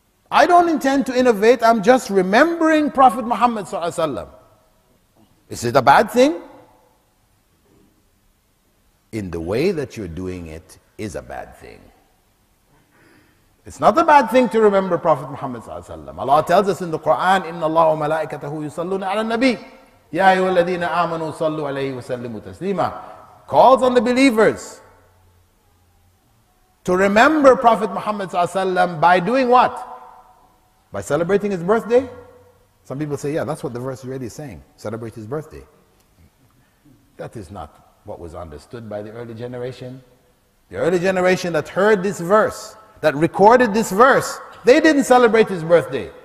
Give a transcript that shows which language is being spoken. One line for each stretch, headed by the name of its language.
English: I don't intend to innovate, I'm just remembering Prophet Muhammad ﷺ. Is it a bad thing? In the way that you're doing it is a bad thing. It's not a bad thing to remember Prophet Muhammad ﷺ. Allah tells us in the Quran,
Arabic: إِنَّ اللَّهُ مَلَائِكَتَهُ يُصَلُّونَ عَلَى النَّبِيِّ يَا أَيُّهَا الَّذِينَ آمَنُوا صَلُّوا عَلَيْهِ وَسَلِّمُوا تَسْلِيمًا.
English: Calls on the believers to remember Prophet Muhammad ﷺ by doing what? By celebrating his birthday? Some people say, yeah, that's what the verse really is saying. Celebrate his birthday. That is not what was understood by the early generation. The early generation that heard this verse, that recorded this verse, they didn't celebrate his birthday.